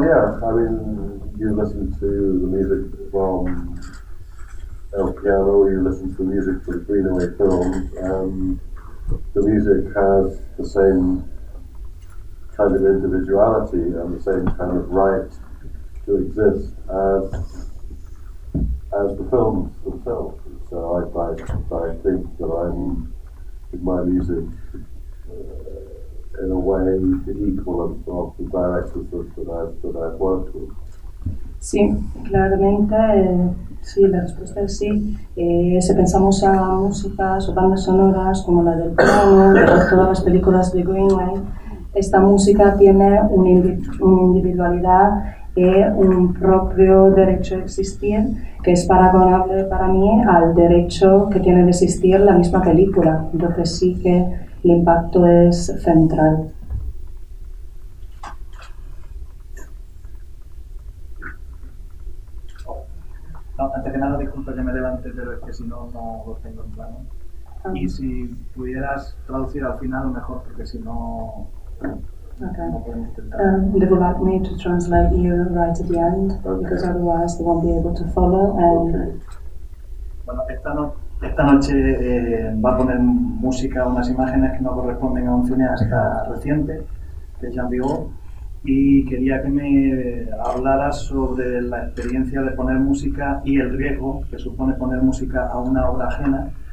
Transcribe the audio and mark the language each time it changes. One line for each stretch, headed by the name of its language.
English: Well, yeah, I mean, you listen to the music from El Piano, you listen to music from the Greenaway film, and the music has the same kind of individuality and the same kind of right to exist as the films themselves. So I think that I'm with my music in a way the equal of the directors that I've worked with.
Spanish: Sí, claramente, sí, la respuesta es sí. Si pensamos a músicas o bandas sonoras como la del Piano, de todas las películas de Greenway, esta música tiene una individualidad y un propio derecho a existir que es paragonable para mí al derecho que tiene de existir la misma película. Entonces sí que el impacto es central. No, antes que nada, disculpa que me levante, pero es que si no, no lo tengo en plano. Y si pudieras traducir al final, mejor, porque si no...
English: They would like me to translate you right at the end, because otherwise they won't be able to follow.
Spanish: Bueno, esta noche va a poner música, unas imágenes que no corresponden a un cineasta reciente, que es Jean Vigo, y quería que me hablaras sobre la experiencia de poner música y el riesgo que supone poner música a una obra ajena